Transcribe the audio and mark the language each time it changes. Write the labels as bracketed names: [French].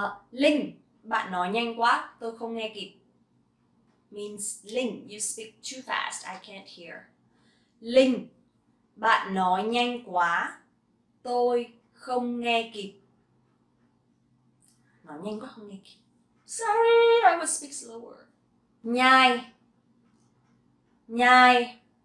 [Vietnamese] Linh, bạn nói nhanh quá, tôi không nghe kịp. [English] Means Linh, you speak too fast, I can't hear. [Vietnamese] Linh, bạn nói nhanh quá, tôi không nghe kịp. Nói nhanh quá, không nghe kịp. [English] Sorry, I will speak slower. [Vietnamese] Nhai, nhai.